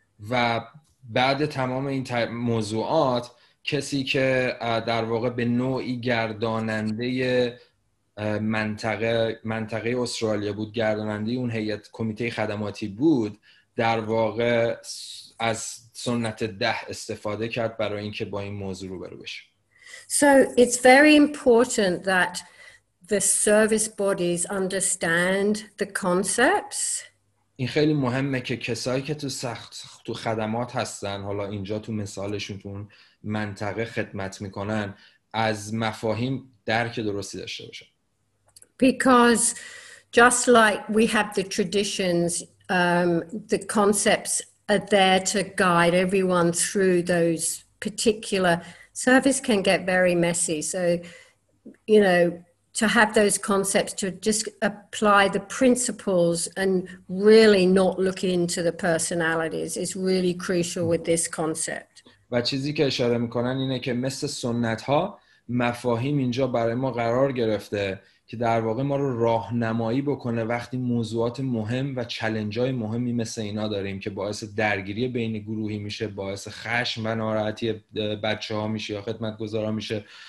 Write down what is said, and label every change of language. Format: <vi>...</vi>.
<fa>و بعد تمام این موضوعات کسی که در واقع به نوعی گرداننده منطقه استرالیا بود، گرداننده اون هیئت کمیته خدماتی بود، در واقع از سنت ده استفاده کرد برای اینکه با این موضوع روبرو بشه.</fa> <en>So it's very important that the service bodies understand the concepts.</en> <fa>این خیلی مهمه که کسایی که تو سخت تو خدمات هستن، حالا اینجا تو مثالشون تو اون منطقه خدمت میکنن، از مفاهیم درک درستی داشته باشن.</fa> <en>Because just like we have the traditions, the concepts are there to guide everyone through those particular service can get very messy. So, you know, to have those concepts to just apply the principles and really not look into the personalities is really crucial with this concept.</en> <fa>و چیزی که اشاره میکنن اینه که مثل سنت ها مفاهیم اینجا برای ما قرار گرفته که در واقع ما رو راهنمایی بکنه وقتی موضوعات مهم و چالش‌های مهمی مثل اینا داریم که باعث درگیری بین گروهی میشه، باعث خشم و ناراحتی بچه‌ها میشه یا خدمتگزارا میشه.</fa>